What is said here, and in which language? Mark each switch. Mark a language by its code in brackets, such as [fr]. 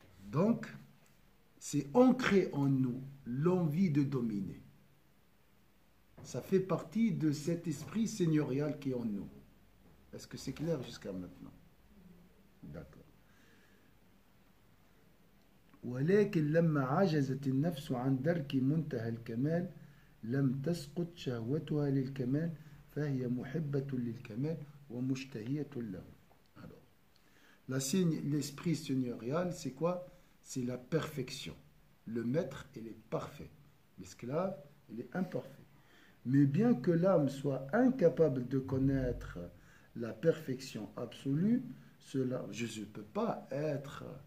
[fr] Donc, c'est ancré en nous l'envie de dominer. Ça fait partie de cet esprit seigneurial qui est en nous. Est-ce que c'est clair jusqu'à maintenant? D'accord. [ar] ولكن لما عجزت النفس عن درك منتهى الكمال لم تسقط شهوتها للكمال فهي محبة للكمال ومشتهية له. [fr] L'esprit seigneurial, c'est quoi? C'est la perfection. Le maître, il est parfait. L'esclave, il est imparfait. Mais bien que l'âme soit incapable de connaître la perfection absolue, cela, je ne peux pas être.